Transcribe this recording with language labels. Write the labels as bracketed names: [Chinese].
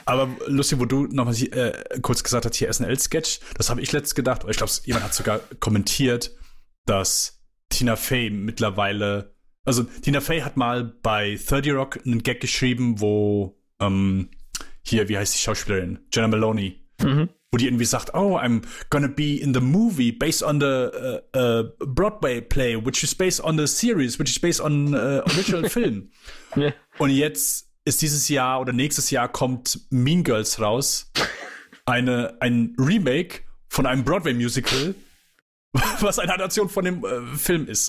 [German] Aber lustig, wo du nochmal kurz gesagt hast, hier SNL-Sketch, das habe ich letztens gedacht, oder ich glaube, jemand hat sogar kommentiert, dass Tina Fey mittlerweile, also Tina Fey hat mal bei 30 Rock einen Gag geschrieben, wo hier, wie heißt die Schauspielerin? Jenna Maloney. Mhm. Wo die irgendwie sagt, [English] oh, I'm gonna be in the movie based on the Broadway play, which is based on the series, which is based on original film. Yeah. [German] Und jetzt ist dieses Jahr oder nächstes Jahr kommt Mean Girls raus. Ein Remake von einem Broadway-Musical, was eine Adaption von dem Film ist.